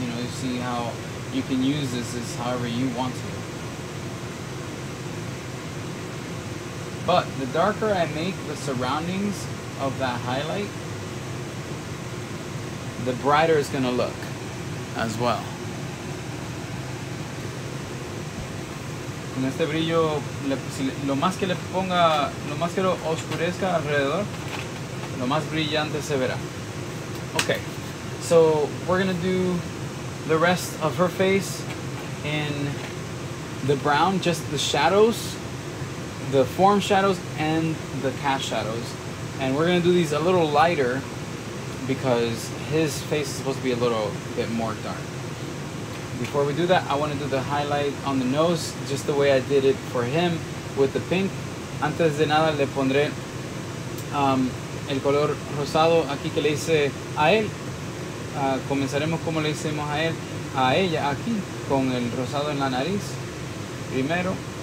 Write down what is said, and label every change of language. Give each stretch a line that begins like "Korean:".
English: You know, you see how you can use this as however you want to. But the darker I make the surroundings of that highlight, the brighter it's going to look as well.
Spanish: Con este brillo, lo más que le ponga, lo más que lo oscurezca alrededor, lo más brillante se verá.
English: Okay, so we're going to do the rest of her face in the brown, just the shadows. The form shadows and the cast shadows. And we're gonna do these a little lighter because his face is supposed to be a little bit more dark. Before we do that, I wanna do the highlight on the nose just the way I did it for him with the pink.
Spanish: Antes de nada, le pondré el color rosado aquí que le hice a él. Comenzaremos como le hicimos a él, a ella aquí, con el rosado en la nariz primero.